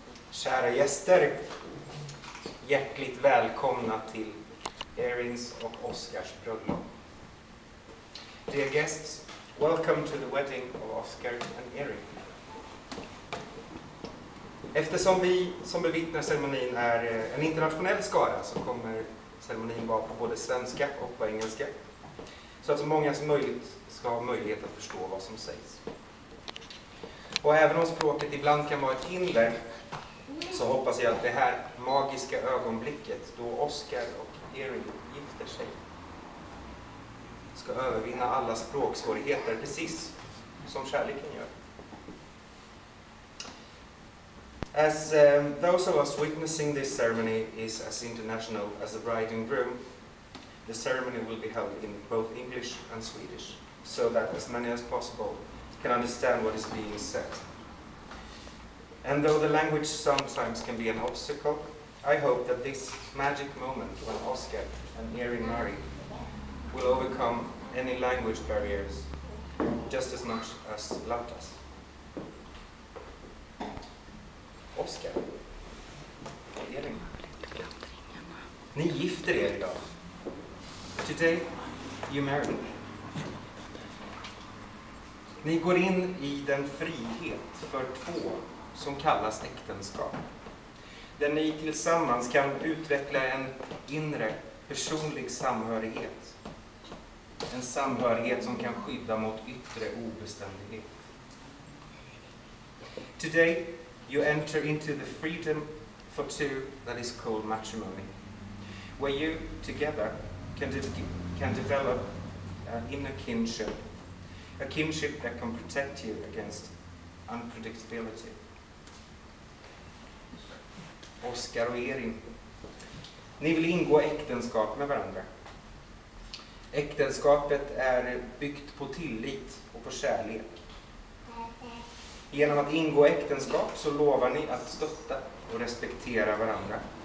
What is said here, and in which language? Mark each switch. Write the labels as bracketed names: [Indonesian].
[Swedish] Kära gäster, hjärtligt välkomna till Erins och Oskars bröllop. [English] Dear guests, welcome to the wedding of Oskar and Erin. [Swedish] Eftersom vi som bevittnar ceremonin är en internationell skara så kommer ceremonin vara på både svenska och på engelska. Så att så många som möjligt ska ha möjlighet att förstå vad som sägs. Och även om språket ibland kan vara ett hinder, så hoppas jag att det här magiska ögonblicket då Oskar och Erin gifter sig ska övervinna alla språksvårigheter, precis som kärleken gör. [English] As those of us witnessing this ceremony is as international as the bride and groom, the ceremony will be held in both English and Swedish, so that as many as possible can understand what is being said. And though the language sometimes can be an obstacle, I hope that this magic moment when Oskar and Erin marry will overcome any language barriers just as much as love does. [Swedish] Oskar, Erin, ni gifter er idag. [English] Today, you marry. [Swedish] Ni går in I den frihet för två som kallas äktenskap. Där ni tillsammans kan utveckla en inre personlig samhörighet. En samhörighet som kan skydda mot yttre obeständighet. [English] Today you enter into the freedom for two that is called matrimony. Where you together can develop inner kinship. A kinship that can protect you against unpredictability. [Swedish] Oskar och Erin, ni vill ingå äktenskap med varandra. Äktenskapet är byggt på tillit och på kärlek. Genom att ingå äktenskap så lovar ni att stötta och respektera varandra.